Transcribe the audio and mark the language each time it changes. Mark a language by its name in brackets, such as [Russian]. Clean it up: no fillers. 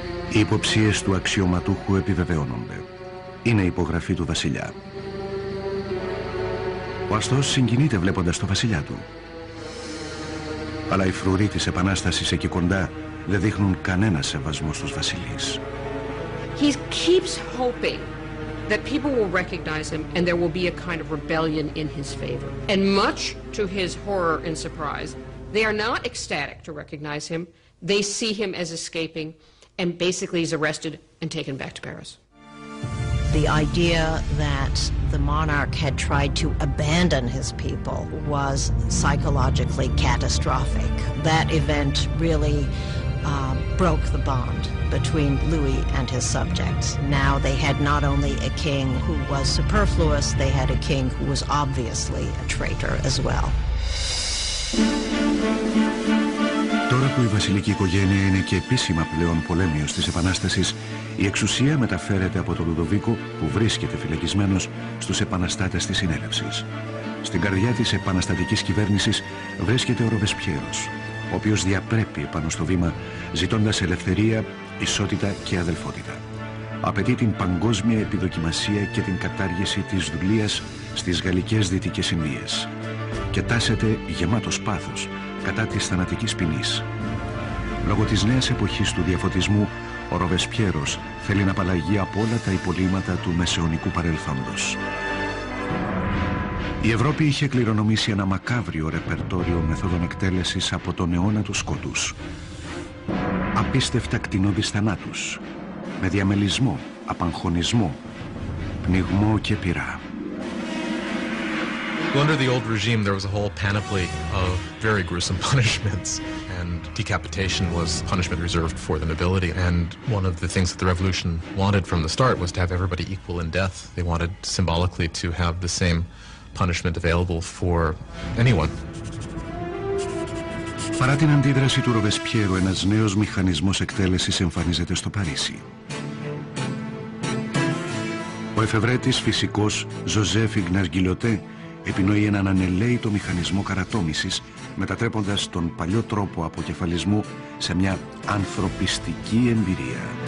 [Greek] Οι υποψίες του αξιωματούχου επιβεβαιώνονται. Είναι υπογραφή του βασιλιά. Ο αστός συγκινείται βλέποντας το βασιλιά του. Αλλά οι φρουροί της επανάστασης εκεί κοντά δεν δείχνουν κανένα σεβασμό στους βασιλείς. [English] He keeps hoping that people will recognize him and there will be a kind of rebellion in his favor. And much to his horror and surprise, they are not ecstatic to recognize him. They see him as escaping and basically is arrested and taken back to Paris. The idea that the monarch had tried to abandon his people was psychologically catastrophic. That event really broke the bond between Louis and his subjects. Now they had not only a king who was superfluous, they had a king who was obviously a traitor as well. [Greek] Τώρα που η βασιλική οικογένεια είναι και επίσημα πλέον πολέμιος της Επανάστασης, η εξουσία μεταφέρεται από τον Λουδοβίκο, που βρίσκεται φυλακισμένος, στους επαναστάτες της συνέλευσης. Στην καρδιά της επαναστατικής κυβέρνησης βρίσκεται ο Ρομπεσπιέρος, ο οποίος διαπρέπει επάνω στο βήμα, ζητώντας ελευθερία, ισότητα και αδελφότητα. Απαιτεί την παγκόσμια επιδοκιμασία και την κατάργηση της δουλείας στις γαλλικές δυτικές Ινδίες. Και τάσεται γεμάτος πάθος κατά της θανατικής ποινής. Λόγω της νέας εποχής του διαφωτισμού, ο Ρομπεσπιέρος θέλει να απαλλαγεί από όλα τα υπολείμματα του μεσαιωνικού παρελθόντος. Η Ευρώπη είχε κληρονομήσει ένα μακάβριο ρεπερτόριο μεθόδων εκτέλεσης από τον αιώνα του σκότους. Απίστευτα κτηνώδης θανάτους, με διαμελισμό, απαγχωνισμό, πνιγμό και πυρά. [English] Under the old regime, there was a whole panoply of very gruesome punishments, and decapitation was punishment reserved for the nobility. And one of the things that the revolution wanted from the start was to have everybody equal in death. They wanted symbolically to have the same punishment available for anyone. [Greek] Παρά την αντίδραση του Ρομπεσπιέρου, ένας νέος μηχανισμός εκτέλεσης εμφανίζεται στο Παρίσι. Ο εφευρέτης φυσικός Ζωζέφ Ιγνάς Γκιλιωτέ επινοεί έναν ανελαίητο μηχανισμό καρατόμησης, μετατρέποντας τον παλιό τρόπο αποκεφαλισμού σε μια ανθρωπιστική εμπειρία.